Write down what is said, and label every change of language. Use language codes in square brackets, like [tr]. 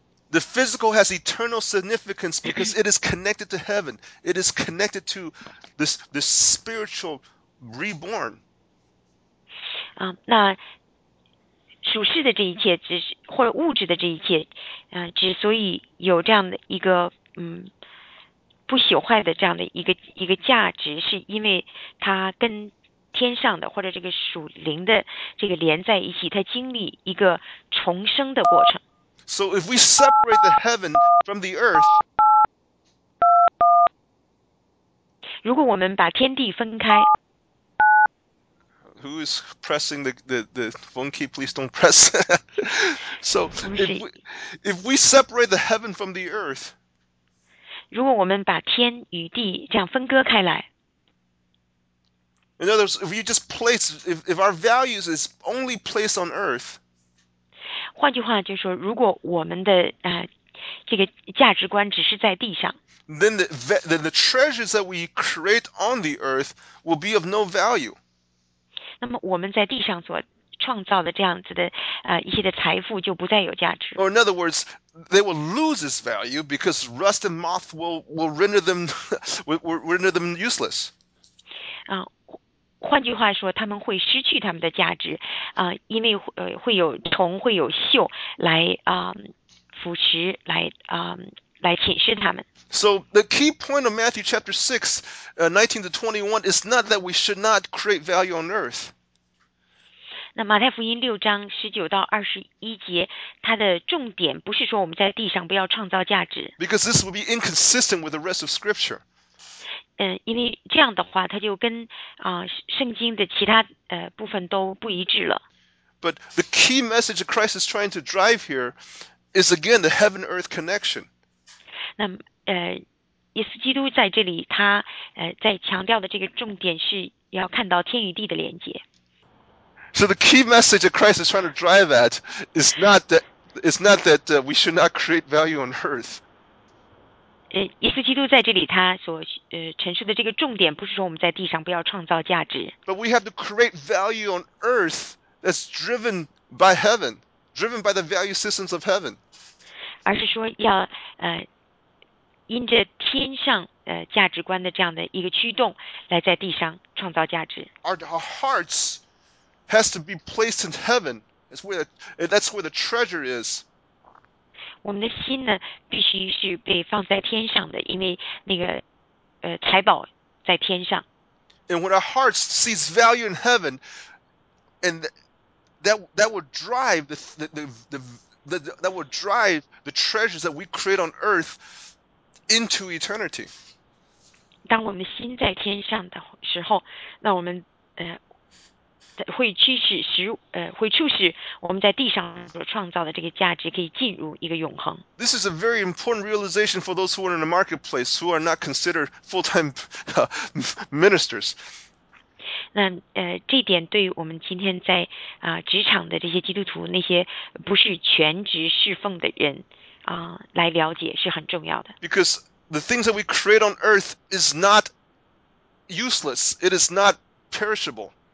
[en] The physical has eternal significance because it is connected to heaven. It is connected to this spiritual reborn. [zh] 那属世的这一切只是或者物质的这一切，之所以有这样的一个不朽坏的这样的一个价值，是因为它跟天上的或者这个属灵的这个连在一起，它经历一个重生的过程。 [en] So if we separate the heaven from the earth, [zh] 如果我们把天地分开， [en] Who is pressing the phone key? Please don't press. So if we separate the heaven from the earth, [zh] 如果我们把天与地这样分割开来， [en] In other words, if you just place, if our values is only placed on earth, [zh] 换句话就是说，如果我们的这个价值观只是在地上 [en] ，then the treasures that we create on the earth will be of no value。 [zh] 那么我们在地上所创造的这样子的一些的财富就不再有价值。 [en] Or in other words, they will lose its value because rust and moth will render them will render them useless。 [zh] 换句话说，他们会失去他们的价值，因为会有虫，会有锈来腐蚀，来侵蚀他们。 [en] So the key point of Matthew chapter 6, 19 to 21 is not that we should not create value on earth. [zh] 那马太福音六章十九到二十一节，它的重点不是说我们在地上不要创造价值。 [en] Because this would be inconsistent with the rest of Scripture. [zh] 因为这样的话它就跟圣经的其他部分都不一致了。 [en] But the key message that Christ is trying to drive here is again the heaven-earth connection. [zh] 那耶稣基督在这里他在强调的这个重点是要看到天与地的连接。 [en] So the key message that Christ is trying to drive at is not that, we should not create value on earth. [zh] 耶稣基督在这里他所陈述的这个重点不是说我们在地上不要创造价值。 [en] But we have to create value on earth that's driven by heaven, driven by the value systems of heaven. [zh] 而是说要因着天上价值观的这样的一个驱动来在地上创造价值。 [en] Our hearts has to be placed in heaven. That's where the treasure is. [zh] 我们的心呢必须是被放在天上的，因为那个财宝在天上。 [en] And when our hearts sees value in heaven, and that will drive the that will drive the treasures that we create on earth into eternity. [zh] 当我们心在天上的时候，那我们会促使我们在地上所创造的这个价值可以进入一个永恒。 [en] This is a very important realization for those who are in the marketplace who are not considered full-time ministers. [zh] 那这点对于我们今天在职场的这些基督徒，那些不是全职侍奉的人来了解是很重要的。 [en] Because the things that we create on earth is not useless, it is not perishable.